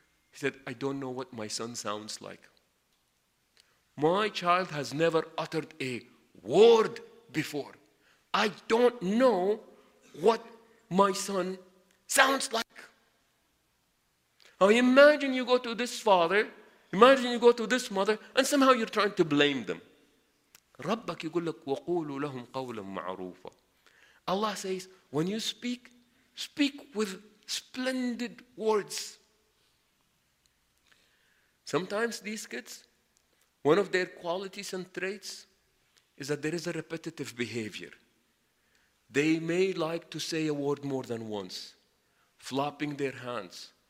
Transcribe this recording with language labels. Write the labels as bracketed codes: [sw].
[en] He said, I don't know what my son sounds like. My child has never uttered a word before. I don't know what my son sounds like. Now imagine you go to this father, imagine you go to this mother, and somehow you're trying to blame them. [ar] ربك يقول لك وقولوا لهم قولا معروفا. [en] Allah says, when you speak, speak with splendid words. Sometimes these kids, one of their qualities and traits is that there is a repetitive behavior. They may like to say a word more than once, flapping their hands.